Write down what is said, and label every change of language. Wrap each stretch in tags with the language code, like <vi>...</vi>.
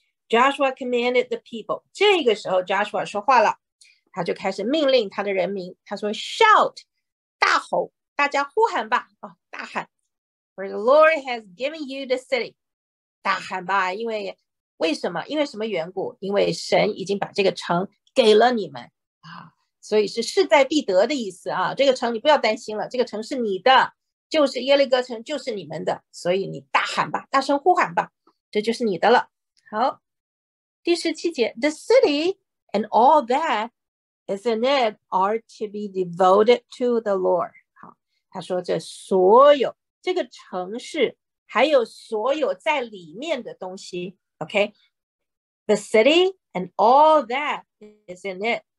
<en>Joshua commanded the people，</en> <zh>这个时候 Joshua 说话了，他就开始命令他的人民，他说 shout，大吼，大家呼喊吧，啊、哦，大喊，</zh> <en>For the Lord has given you the city，</en> <zh>大喊吧，因为为什么？因为什么缘故？因为神已经把这个城给了你们啊。所以是势在必得的意思啊！这个城你不要担心了，这个城是你的，就是耶利哥城，就是你们的，所以你大喊吧，大声呼喊吧，这就是你的了。好，第17节，</zh> <en>The city and all that is in it are to be devoted to the Lord。</en> <zh>好，他说这所有这个城市，还有所有在里面的东西。</zh> <en>OK，The city and all that is in it。</en>